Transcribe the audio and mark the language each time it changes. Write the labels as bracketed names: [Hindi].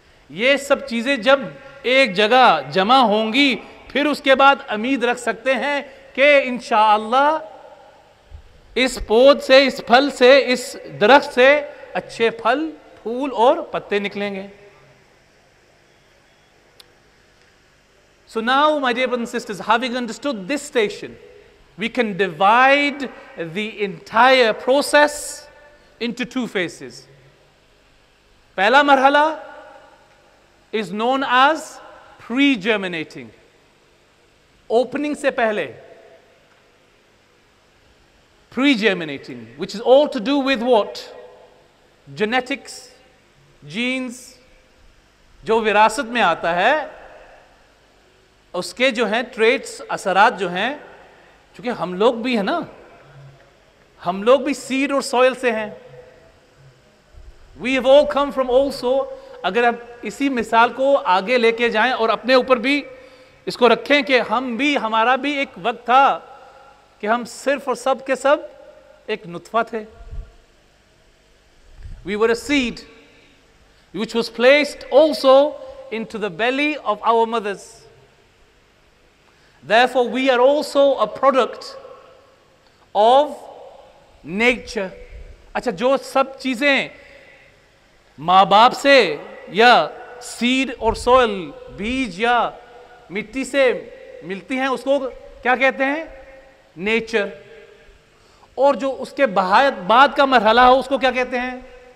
[Hindi] ये सब चीज़ें जब एक जगह जमा होंगी फिर उसके बाद उम्मीद रख सकते हैं कि इंशाअल्लाह इस पौध से, इस फल से, इस दरख्त से अच्छे फल फूल और पत्ते निकलेंगे. [English] So now, my dear brothers and sisters, having understood this station, we can divide the entire process into two phases. [Hindi] Pehla marhala [English] is known as pre-germinating. [Hindi] Opening se pehle. [English] Pre-germinating, which is all to do with what? [Hindi] Genetics, genes, jo virasat mein aata hai, उसके जो हैं traits असरात जो हैं, क्योंकि हम लोग भी हैं ना, हम लोग भी सीड और सॉयल से हैं. [English] We have all come from also. [Hindi] अगर आप इसी मिसाल को आगे लेके जाएं और अपने ऊपर भी इसको रखें कि हम भी, हमारा भी एक वक्त था कि हम सिर्फ और सब के सब एक नुतफा थे. [English] We were a seed which was placed also into the belly of our mothers. Therefore, we are also a product of nature. [Hindi] अच्छा, जो सब चीज़ें माँ बाप से या seed और soil, बीज या मिट्टी से मिलती हैं उसको क्या कहते हैं? [English] Nature. [Hindi] और जो उसके बाद का मरहला हो उसको क्या कहते हैं?